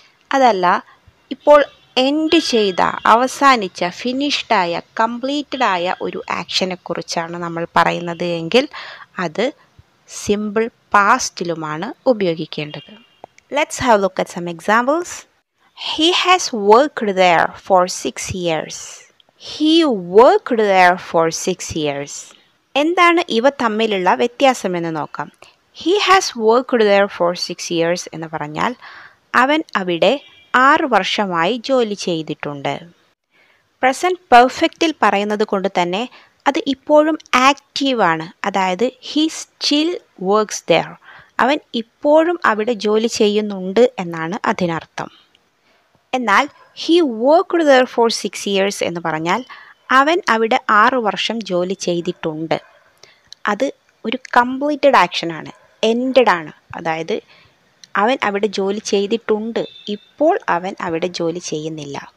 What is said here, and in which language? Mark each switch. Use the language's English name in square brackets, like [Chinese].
[Malayalam] അതല്ല ഇപ്പോൾ എൻഡ് ചെയ്ത അവസാനിച്ച ഫിനിഷ്ഡായ കംപ്ലീറ്റഡ് ആയ ഒരു ആക്ഷനെക്കുറിച്ചാണ് നമ്മൾ പറയുന്നത് എങ്കിൽ അത് സിമ്പിൾ പാസ്റ്റിലുമാണ് ഉപയോഗിക്കേണ്ടത് [English] Let's have look at some examples He has worked there for 6 years. He worked there for 6 years. [Malayalam] എന്താണ് ഇവ തമ്മിലുള്ള വ്യത്യാസം എന്ന് നോക്കാം. [English] He has worked there for 6 years [Malayalam] എന്ന് പറഞ്ഞാൽ അവൻ അവിടെ 6 വർഷമായി ജോലി ചെയ്തിട്ടുണ്ട്. പ്രസന്റ് പെർഫെക്റ്റിൽ പറയുന്നത് കൊണ്ട് തന്നെ അത് ഇപ്പോഴും ആക്റ്റീവ് ആണ്. അതായത് [English] he still works there. [Malayalam] അവൻ ഇപ്പോഴും അവിടെ ജോലി ചെയ്യുന്നുണ്ട് എന്നാണ് അതിനർത്ഥം. എന്നാൽ [English] he worked there for 6 years [Malayalam] എന്ന് പറഞ്ഞാൽ അവൻ അവിടെ 6 വർഷം ജോലി ചെയ്തിട്ടുണ്ട് അത് ഒരു കംപ്ലീറ്റഡ് ആക്ഷനാണ് എൻഡഡ് ആണ് അതായത് അവൻ അവിടെ ജോലി ചെയ്തിട്ടുണ്ട് ഇപ്പോൾ അവൻ അവിടെ ജോലി ചെയ്യുന്നില്ല